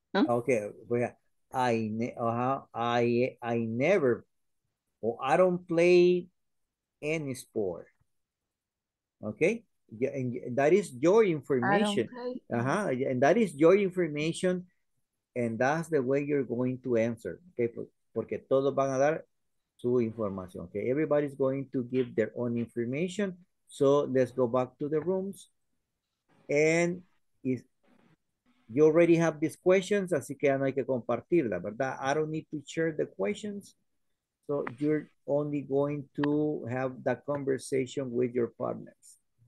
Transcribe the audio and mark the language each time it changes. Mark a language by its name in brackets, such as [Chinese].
[English] Okay, well, I don't play any sport. Okay, yeah, and that is your information. And that is your information, and that's the way you're going to answer. [Spanish] Okay, porque todos van a dar su información. [English] Okay, everybody's going to give their own information. So let's go back to the rooms, and is. You already have these questions, [Spanish] así que ya no hay que compartirla, ¿verdad? [English] I don't need to share the questions. So you're only going to have that conversation with your partners.